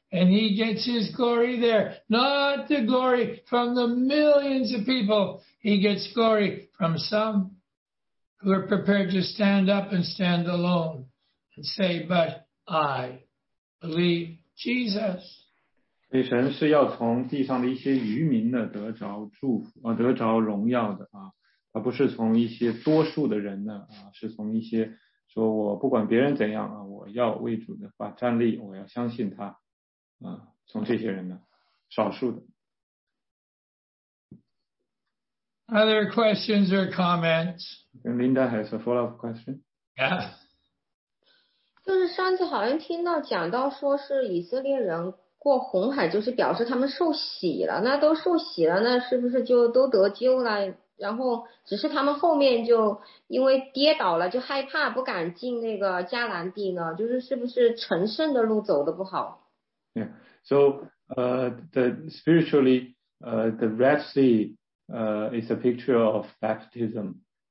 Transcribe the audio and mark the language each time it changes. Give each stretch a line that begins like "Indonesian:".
English: And he gets his glory there. Not the glory from the millions of people. He gets glory from some who are prepared to stand up and stand alone and say, but I believe Jesus.
Chinese: 所以神是要从地上的一些渔民呢得着祝福、得着荣耀的啊，而不是从一些多数的人呢啊，是从一些说我不管别人怎样啊，我要为主的发站立，我要相信他。从这些人呢，少数的。
English: Other questions or comments? Linda has a follow-up question. Yeah.
Chinese: 就是上次好像听到讲到说是以色列人过红海，就是表示他们受洗了。那都受洗了，那是不是就都得救了？然后只是他们后面就因为跌倒了，就害怕不敢进那个迦南地呢？就是是不是成圣的路走得不好？
English: Yeah. So, the spiritually, the Red Sea, is a picture of baptism.